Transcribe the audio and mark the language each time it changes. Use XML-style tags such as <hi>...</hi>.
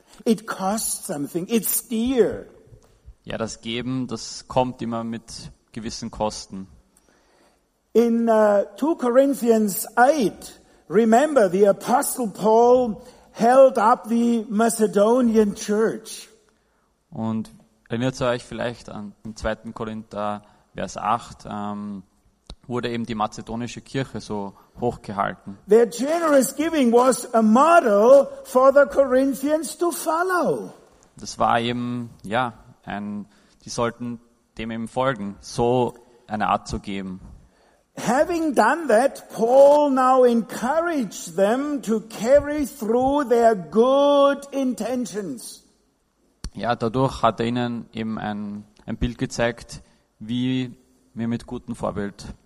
<en>It costs something. It's dear.</en> <de>Ja, das Geben, das kommt immer mit gewissen Kosten.</de> <en>In 2 Corinthians 8, remember, the Apostle Paul held up the Macedonian church.</en> <de>Und erinnert euch vielleicht an 2. Korinther Vers 8 wurde eben die mazedonische Kirche so hochgehalten.</de> <en>Their generous giving was a model for the Corinthians to follow.</en> <de>Das war eben, ja, die sollten dem eben folgen, so eine Art zu geben.</de> <en>Having done that, Paul now encouraged them to carry through their good intentions.</en> <de>Ja, dadurch hat er ihnen eben ein Bild gezeigt, wie wir mit gutem Vorbild.</de>